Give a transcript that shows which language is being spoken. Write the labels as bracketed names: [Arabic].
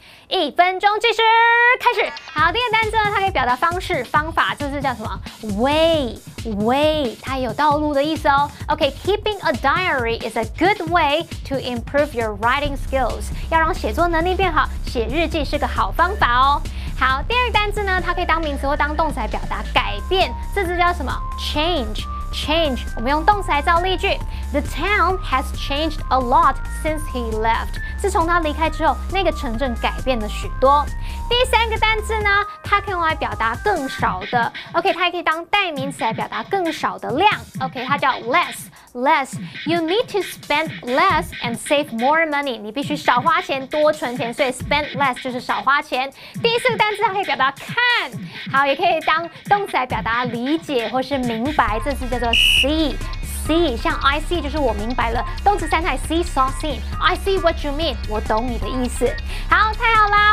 [Chinese] 一分钟计时开始。好，第一个单字呢，它可以表达方式、方法，就是叫什么 way， 它有道路的意思哦。 [English] OK， keeping a diary is a good way to improve your writing skills， [Chinese] 要让写作能力变好，写日记是个好方法哦。好，第二个单字呢，它可以当名词或当动词来表达改变，这字叫什么 ？change。 Change， 我们用动词来造例句。 [English] The town has changed a lot since he left。 [Chinese] 自从他离开之后，那个城镇改变了许多。第三个单字呢，它可以用来表达更少的。 OK， 它也可以当代名词来表达更少的量。 OK， 它叫 less。 [English] Less， you need to spend less and save more money。 [Chinese] 你必须少花钱，多存钱，所以 [English] spend less [Chinese] 就是少花钱。第四个单词它可以表达看，好，也可以当动词来表达理解或是明白，这次叫做 see。 See， 像 [English] I see [Chinese] 就是我明白了。动词三态 [English] see saw seen。 I see what you mean， [Chinese] 我懂你的意思。好，太好啦！